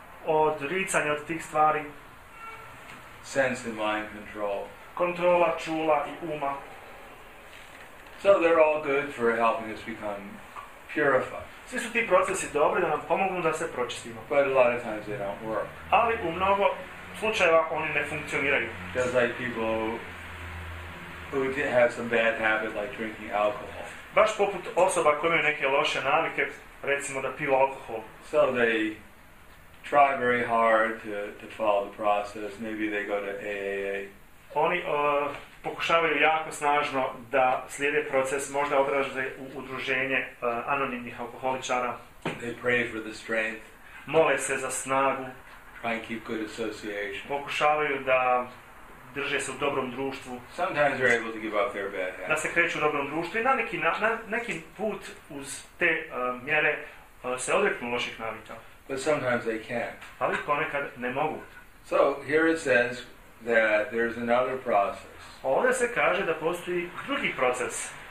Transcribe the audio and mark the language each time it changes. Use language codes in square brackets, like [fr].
[bs] Odricanje od tih stvari. [en] Sense and mind control. [bs] Kontrola čula i uma. [en] So they're all good for helping us become purified. [bs] Svi su ti procesi dobri da nam pomognu da se pročistimo. [en] But a lot of times they don't work. [bs] Ali u mnogo slučajeva oni ne funkcioniraju. [en] Just like people who have some bad habit like drinking alcohol. [bs] Baš poput osoba koje imaju neke loše navike, recimo da piju alkohol. [en] So they try very hard to follow the process. Maybe they go to AAA. [bs] Oni pokušavaju jako snažno da slijede proces, možda odraze u udruženje anonimnih alkoholičara. [en] They pray for the strength. [bs] Mole se za snagu. [en] Try and keep good association. [bs] Pokušavaju da drže se u dobrom društvu. [en] Sometimes they're able to give up their bad habits. [bs] Da se kreću u dobrom društvu i na neki put uz te mjere se odreknu loših navika. [en] But sometimes they can't. [bs] Ali ponekad ne mogu. [en] So here it says that there's another process. [bs] Ovdje se kaže da postoji drugi proces.